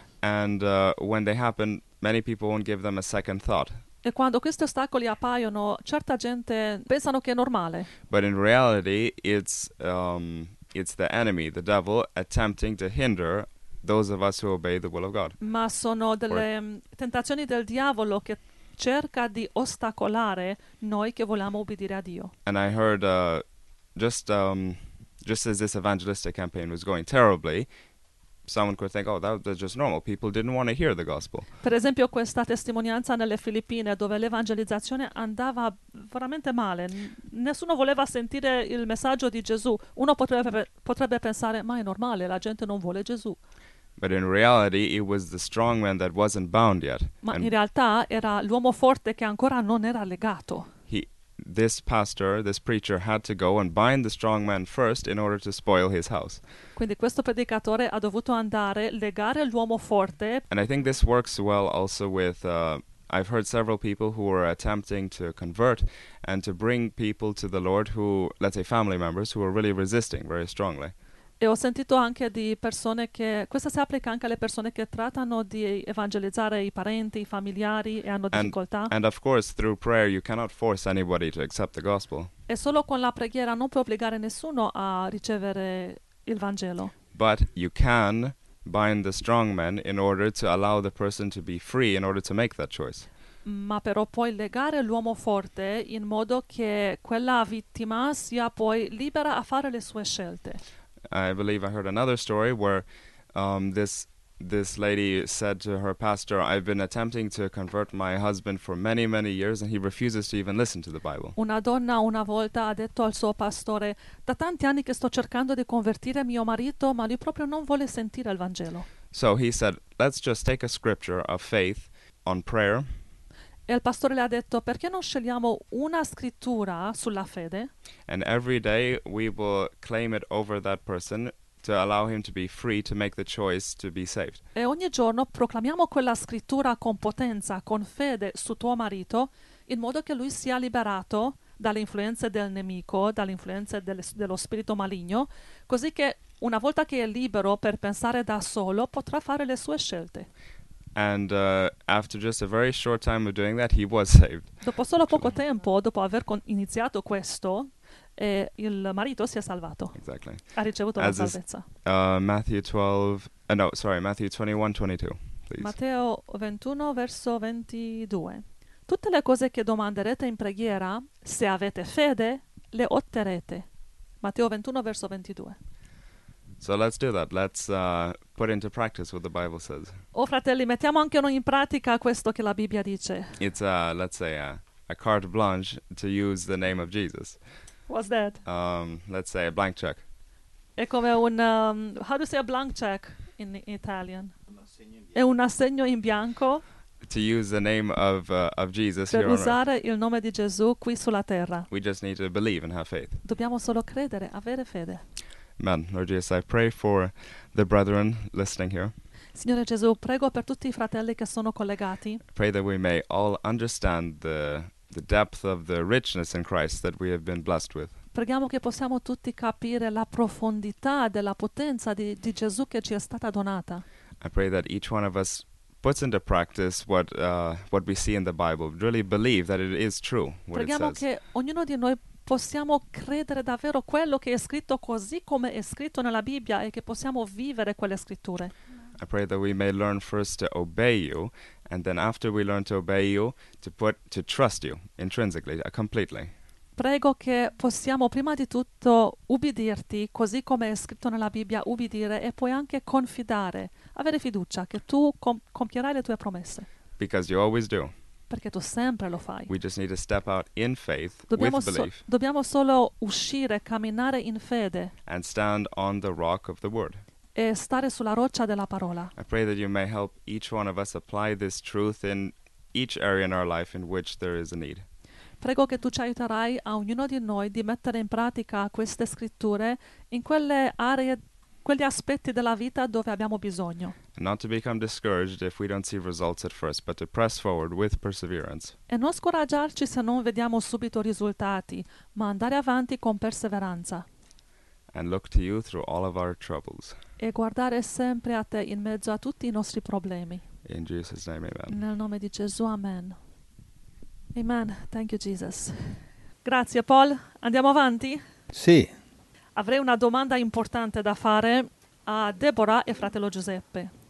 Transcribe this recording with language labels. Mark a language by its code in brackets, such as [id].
[en] And when they happen, many people won't give them a second thought. [it] E quando questi ostacoli appaiono, certa gente pensano che è normale. [en] But in reality, it's the enemy, the devil, attempting to hinder those of us who obey the will of God. [it] Ma sono delle tentazioni del diavolo che cerca di ostacolare noi che vogliamo obbedire a Dio. [en] And I heard, just as this evangelistic campaign was going terribly, someone could think, oh, that's just normal. People didn't want to hear the gospel. [it] Per esempio, questa testimonianza nelle Filippine, dove l'evangelizzazione andava veramente male. Nessuno voleva sentire il messaggio di Gesù. Uno potrebbe pensare, ma è normale, la gente non vuole Gesù. [en] But in reality, it was the strong man that wasn't bound yet. [it] Ma in realtà era l'uomo forte che ancora non era legato. [en] This pastor, this preacher, had to go and bind the strong man first in order to spoil his house. [it] Quindi questo predicatore ha dovuto andare a legare l'uomo forte. [en] And I think this works well also with, I've heard several people who are attempting to convert and to bring people to the Lord who, let's say family members, who are really resisting very strongly. [it] E ho sentito anche di persone che, questo si applica anche alle persone che trattano di evangelizzare i parenti, i familiari e hanno difficoltà. [en] And of course, through prayer you cannot force anybody to accept the gospel. [it] E solo con la preghiera non puoi obbligare nessuno a ricevere il Vangelo. [en] But you can bind the strong man in order to allow the person to be free in order to make that choice. [it] Ma però puoi legare l'uomo forte in modo che quella vittima sia poi libera a fare le sue scelte. [en] I believe I heard another story where this lady said to her pastor, I've been attempting to convert my husband for many, many years and he refuses to even listen to the Bible. [it] Una donna una volta ha detto al suo pastore, da tanti anni che sto cercando di convertire mio marito, ma lui proprio non vuole sentire il Vangelo. [en] So he said, let's just take a scripture of faith on prayer. [it] E il pastore le ha detto, perché non scegliamo una scrittura sulla fede? [en] And every day we will claim it over that person to allow him to be free to make the choice to be saved. [it] E ogni giorno proclamiamo quella scrittura con potenza, con fede su tuo marito, in modo che lui sia liberato dalle influenze del nemico, dalle influenze dello spirito maligno, così che una volta che è libero per pensare da solo, potrà fare le sue scelte. [en] And after just a very short time of doing that, he was saved. [it] Dopo solo poco tempo, dopo aver iniziato questo, il marito si è salvato. [en] Exactly. [it] Ha ricevuto la salvezza. [en] Matthew 21:22, please. [it] Matteo 21, verso 22. Tutte le cose che domanderete in preghiera, se avete fede, le otterrete. Matteo 21, verso 22. [en] So let's do that. Let's put into practice what the Bible says. [it] Oh, fratelli, mettiamo anche noi in pratica questo che la Bibbia dice. [en] It's a, let's say, a carte blanche to use the name of Jesus. What's that? Let's say a blank check. [it] È come un, [en] how do you say a blank check in Italian? [it] È un assegno in bianco. [en] To use the name of Jesus [it] per [en] here on [it] usare [en] earth. [it] Il nome di Gesù qui sulla terra. [en] We just need to believe and have faith. [it] Dobbiamo solo credere, avere fede. [en] Man, Lord Jesus, I pray for the brethren listening here. [it] Signore Gesù, prego per tutti i fratelli che sono collegati. [en] Pray that we may all understand the the depth of the richness in Christ that we have been blessed with. [it] Preghiamo che possiamo tutti capire la profondità della potenza di Gesù che ci è stata donata. [en] I pray that each one of us puts into practice what we see in the Bible, really believe that it is true what [it] preghiamo [en] it says. [it] Preghiamo che ognuno di noi possiamo credere davvero quello che è scritto così come è scritto nella Bibbia e che possiamo vivere quelle scritture. [en] I pray that we may learn first to obey you, and then after we learn to obey you, to trust you intrinsically, completely. [it] Prego che possiamo prima di tutto ubbidirti, così come è scritto nella Bibbia, ubbidire e poi anche confidare, avere fiducia che tu compierai le tue promesse. [en] Because you always do. [it] Perché tu sempre lo fai. [en] We just need to step out in faith, with belief. [it] Dobbiamo solo uscire, camminare in fede. [en] And stand on the rock of the word. [it] E stare sulla roccia della parola. [en] I pray that you may help each one of us apply this truth in each area in our life in which there is a need. [it] Prego che tu ci aiuterai a ognuno di noi di mettere in pratica queste scritture in quelle aree, quegli aspetti della vita dove abbiamo bisogno. [en] Not to become discouraged if we don't see results at first, but to press forward with perseverance. [it] E non scoraggiarci se non vediamo subito risultati, ma andare avanti con perseveranza. [en] And look to you through all of our troubles. [it] E guardare sempre a te in mezzo a tutti i nostri problemi. [en] In Jesus' name, amen. [it] Nel nome di Gesù, amen. Amen. [en] Thank you, Jesus. [it] Grazie, Paul. Andiamo avanti? Sì. Avrei una domanda importante da fare a Deborah e fratello Giuseppe.